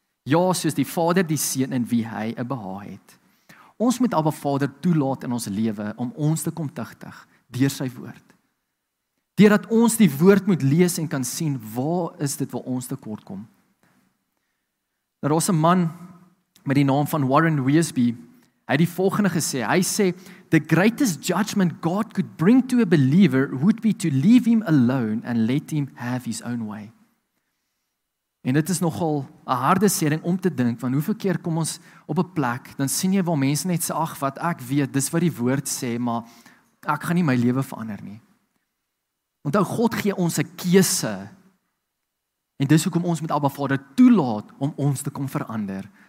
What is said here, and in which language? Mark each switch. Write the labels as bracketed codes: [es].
[af] Ja, soos die Vader die Seun in wie hy 'n behaag het. Ons moet Abba Vader toelaat in ons lewe om ons te kom tugtig deur sy woord. Deurdat ons die woord moet lees en kan sien waar is dit waar ons tekort kom. Daar was 'n man met die naam van Warren Wiersbe. Hy het die volgende gesê. Hy sê, [en] the greatest judgment God could bring to a believer would be to leave him alone and let him have his own way. [af] En dit is nogal 'n harde sering om te dink, van hoeveel keer kom ons op 'n plek, dan sien jy waar mense net sê, ag wat ek weet, dis wat die woord sê, maar ek gaan nie my lewe verander nie. Onthou, God gee ons 'n keuse. En dis hoekom ons met Abba Vader toelaat om ons te kom verander.